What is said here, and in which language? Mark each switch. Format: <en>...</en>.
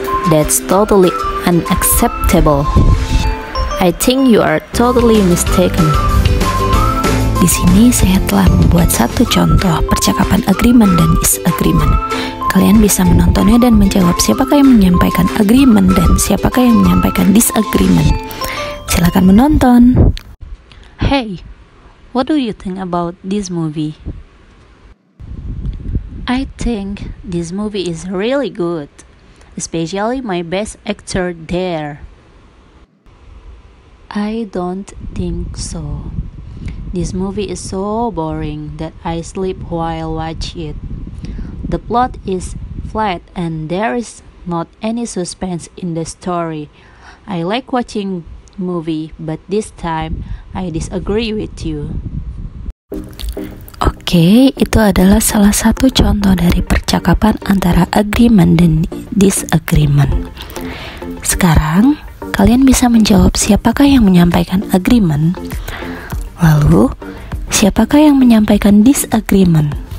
<en>That's totally unacceptable. I think you are totally mistaken.</en> <id>Di sini saya telah membuat satu contoh percakapan agreement dan disagreement. Kalian bisa menontonnya dan menjawab siapakah yang menyampaikan agreement dan siapakah yang menyampaikan disagreement. Silakan menonton.</id> <en>Hey, what do you think about this movie? I think this movie is really good, especially my best actor there. I don't think so. This movie is so boring that I sleep while watch it. The plot is flat and there is not any suspense in the story. I like watching movie, but this time I disagree with you.</en> <id>Oke, itu adalah salah satu contoh dari percakapan antara agreement dan disagreement. Sekarang, kalian bisa menjawab siapakah yang menyampaikan agreement? Lalu, siapakah yang menyampaikan disagreement?</id>